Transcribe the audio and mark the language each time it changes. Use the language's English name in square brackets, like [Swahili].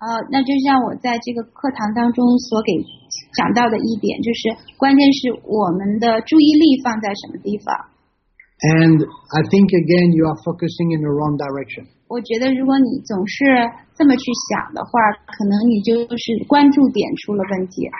[Chinese] 那就像我在这个课堂当中所给讲到的一点，就是关键是我们的注意力放在什么地方。 [English] And I think again, you are focusing in the wrong direction. [Chinese] 我觉得如果你总是这么去想的话，可能你就是关注点出了问题。